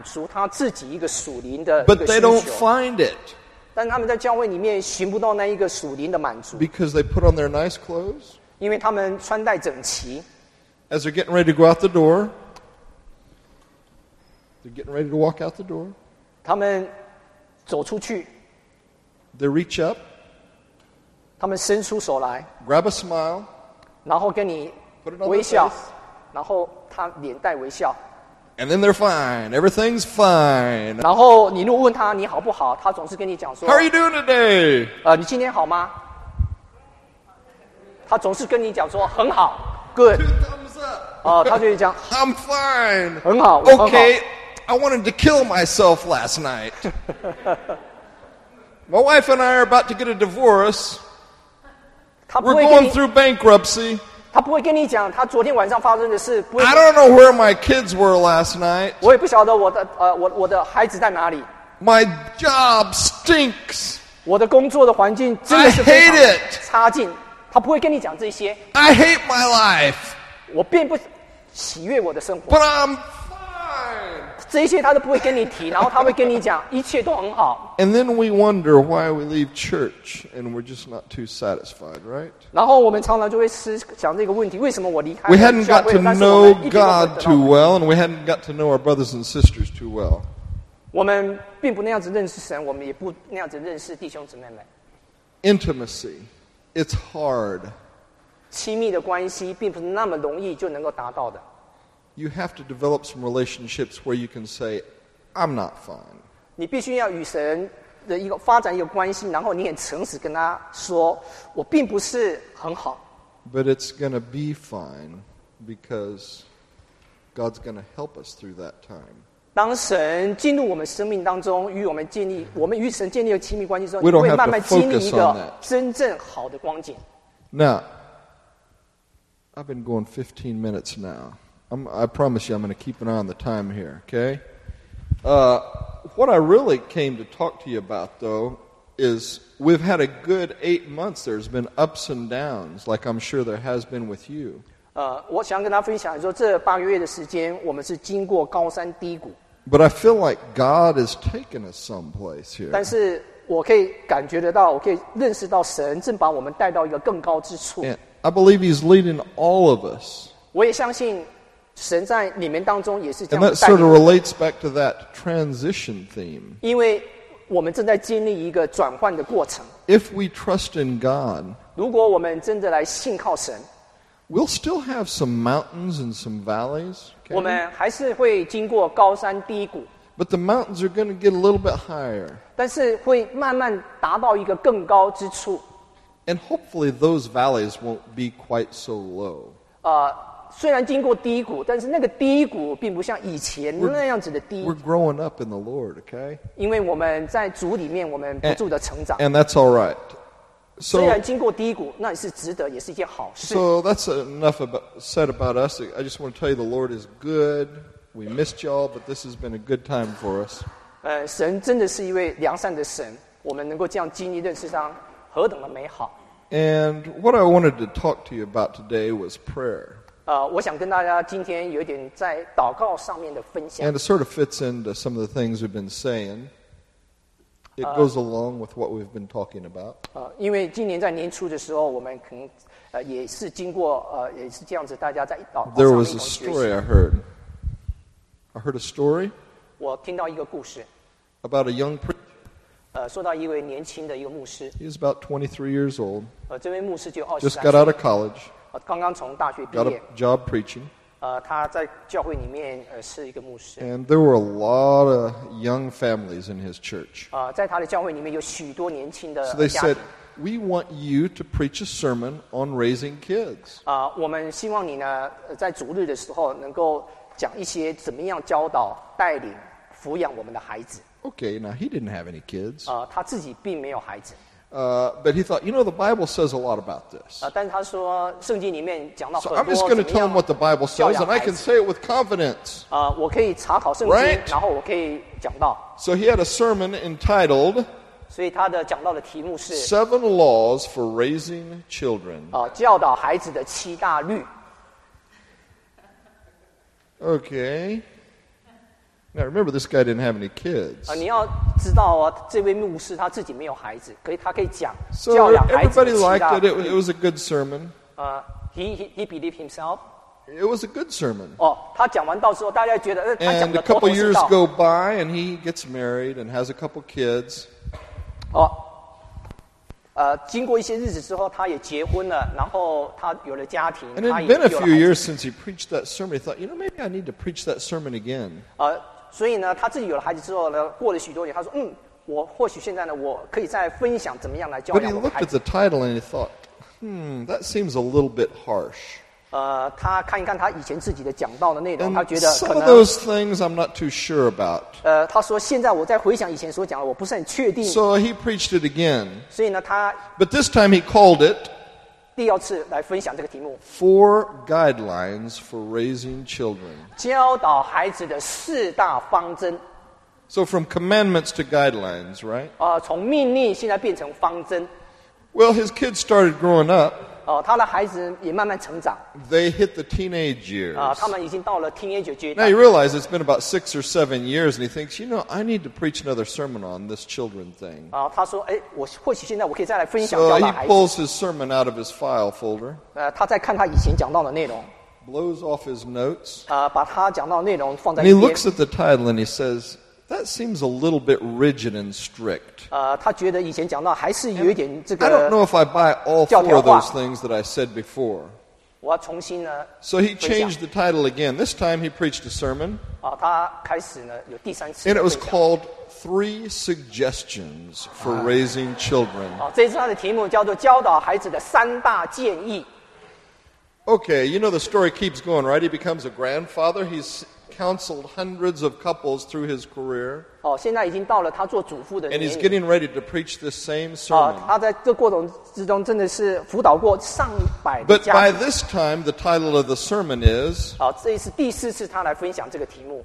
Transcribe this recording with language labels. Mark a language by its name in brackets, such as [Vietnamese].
[Chinese] 人来到教会里面是为了要满足他自己一个属灵的一个需求, [English] But they don't find it. [Chinese] 但他们在教会里面寻不到那一个属灵的满足。 [English] Because they put on their nice clothes. [Chinese] 因为他们穿戴整齐。 [English] As they're getting ready to go out the door. They're getting ready to walk out the door. [Chinese] 他们走出去。 [English] They reach up. [Chinese] 他们伸出手来。 [English] Grab a smile. [Chinese] 然后跟你微笑。然后他脸带微笑。 [English] And then they're fine. Everything's fine. [Chinese] 然后你如果问他你好不好，他总是跟你讲说， [English] How are you doing today? [Chinese] 你今天好吗？他总是跟你讲说很好。 [English] Good. Two thumbs up. [Chinese] 他就会讲， [English] I'm fine. [Chinese] 很好， [English] Okay, [Chinese] 很好。 [English] I wanted to kill myself last night. My wife and I are about to get a divorce. We're going through bankruptcy. I don't know where my kids were last night. [Chinese] 我也不晓得我的孩子在哪里。 [English] My job stinks. [Chinese] 我的工作的环境真的是非常差劲。他不会跟你讲这些。 [English] I hate my life. [Chinese] 我并不喜悦我的生活。 [English] But I'm fine. [Chinese] 这些他都不会跟你提, 然后他会跟你讲, 一切都很好。 [English] And then we wonder why we leave church and we're just not too satisfied, right? [Chinese] 然后我们常常就会思想这个问题, 为什么我离开了教会, [English] we hadn't got to know God too well and we hadn't got to know our brothers and sisters too well. [Chinese] 我们并不那样子认识神, 我们也不那样子认识弟兄姊妹们。 [English] Intimacy. It's hard. [Chinese] 亲密的关系并不是那么容易就能够达到的。 [English] You have to develop some relationships where you can say, I'm not fine. [Chinese] 你必须要与神的一个发展一个关系, 然后你很诚实跟他说, 我并不是很好。 [English] But it's going to be fine because God's going to help us through that time. [Chinese] 当神进入我们生命当中, 与我们建立, 我们与神建立了亲密关系之后, [English] we don't have to focus on that. [Chinese] 真正好的光景。 [English] Now, I've been going 15 minutes now. I promise you I'm going to keep an eye on the time here, okay? What I really came to talk to you about, though, is we've had a good 8 months. There's been ups and downs, like I'm sure there has been with you. [Chinese] 我想跟大家分享说这八个月的时间我们是经过高山低谷。 [English] But I feel like God has taken us someplace here. [Chinese] 但是我可以感觉得到, 我可以认识到神正把我们带到一个更高之处。 [English] And I believe He's leading all of us. [Chinese] 我也相信神在你们当中也是这样带领。 [English] And that sort of relates back to that transition theme. [Chinese] 因为我们正在经历一个转换的过程。 [English] If we trust in God, [Chinese] 如果我们真的来信靠神, [English] we'll still have some mountains and some valleys. Okay? [Chinese] 我们还是会经过高山低谷。 [English] But the mountains are going to get a little bit higher. [Chinese] 但是会慢慢达到一个更高之处。 [English] And hopefully those valleys won't be quite so low. [Chinese] 虽然经过低谷, 但是那个低谷并不像以前那样子的低谷。 [English] We're growing up in the Lord, okay? [Chinese] 因为我们在主里面, 我们不住地成长。 [English] And that's all right. So, [Chinese] 虽然经过低谷, 那也是值得, 也是一件好事。 [English] So that's enough about, said about us. I just want to tell you the Lord is good. We missed y'all, but this has been a good time for us. [Chinese] 神真的是一位良善的神, 我们能够这样经历认识上何等的美好。 [English] And what I wanted to talk to you about today was prayer. [Chinese] 我想跟大家今天有点在祷告上面的分享。 [English] And it sort of fits into some of the things we've been saying. It goes along with what we've been talking about. [Chinese] 因为今年在年初的时候, 我们可能, 也是经过, 也是这样子大家在祷告上面同学习。 [English] There was a story I heard. I heard a story. [Chinese] 我听到一个故事。 [English] About a young preacher. [Chinese] 说到一位年轻的一个牧师。 [English] He was about 23 years old. [Chinese] 这位牧师就23岁。 [English] Just got out of college. [Chinese] 刚刚从大学毕业, [English] got a job preaching. [Chinese] 他在教会里面, 是一个牧师。 [English] And there were a lot of young families in his church. [Chinese] 在他的教会里面有许多年轻的家庭。 [English] So they said, we want you to preach a sermon on raising kids. [Chinese] 我们希望你呢, 在主日的时候能够讲一些怎么样教导带领抚养我们的孩子。 [English] Okay, now he didn't have any kids. [Chinese] 他自己并没有孩子。 [English] But he thought, you know, the Bible says a lot about this. [Chinese] 但是他说圣经里面讲到很多, [English] so I'm just going to tell him what the Bible says, and I can say it with confidence. [Chinese] 我可以查考圣经, [English] right? [Chinese] 然后我可以讲到。 [English] So he had a sermon entitled, [Chinese] 所以他的讲到的题目是, [English] Seven Laws for Raising Children. [Chinese] 教导孩子的七大律。 [English] Okay. Now remember, this guy didn't have any kids. [Chinese] 你要知道哦, 这位牧师他自己没有孩子, 可以他可以讲, [English] so everybody liked it. It was a good sermon. He believed himself. It was a good sermon. [Chinese] 他讲完到之后, 大家觉得, [English] and a couple years go by, and he gets married and has a couple kids. [Chinese] 经过一些日子之后, 他也结婚了, 然后他有了家庭, [English] and it had been a few years since he preached that sermon. He thought, you know, maybe I need to preach that sermon again. [Chinese] 所以呢, 他自己有了孩子之后呢, 过了许多年, 他说, 我或许现在呢, 我可以再分享怎么样来教养我的孩子。 [English] But he looked at the title and he thought, that seems a little bit harsh. [Chinese] 他看一看他以前自己的讲道的内容，他觉得可能 [English] some of those things I'm not too sure about. [Chinese] 他说现在我在回想以前所讲的，我不是很确定。 [English] So he preached it again. [Chinese] 所以呢，他 [English] but this time he called it [Chinese] 第二次来分享这个题目 [English] Four guidelines for raising children. [Chinese] 教导孩子的四大方针。 [English] So from commandments to guidelines, right? [Chinese] 从命令现在变成方针。 [English] Well, his kids started growing up. [Chinese] 他的孩子也慢慢成长。 [English] They hit the teenage years. [Chinese] 他们已经到了 teenage 阶段。 [English] Now you realize it's been about 6 or 7 years, and he thinks, you know, I need to preach another sermon on this children thing. [Chinese] 他说，哎，我或许现在我可以再来分享教导孩子。 [English] So he pulls his sermon out of his file folder. [Chinese] 他在看他以前讲到的内容。 [English] Blows off his notes. [Chinese] 把他讲到的内容放在一边。 [English] And he looks at the title and he says,That seems a little bit rigid and strict. [Chinese] 他觉得以前讲到还是有一点这个 [English] I don't know if I buy all four of those things that I said before. [Chinese] 我要重新呢 [English] So he changed the title again. This time he preached a sermon. [Chinese] 他开始呢有第三次 [English] And it was called Three Suggestions for Raising Children. [Chinese] 这次他的题目叫做教导孩子的三大建议 [English] Okay, you know the story keeps going, right? He becomes a grandfather. He'sCounseled hundreds of couples through his career. [Chinese] 现在已经到了他做祖父的年 [English] 龄。And he's getting ready to preach the same sermon. [Chinese] 他在这过程之中真的是辅导过上百的家庭。 [English] But by this time, the title of the sermon is. [Chinese] 这是第四次他来分享这个题目。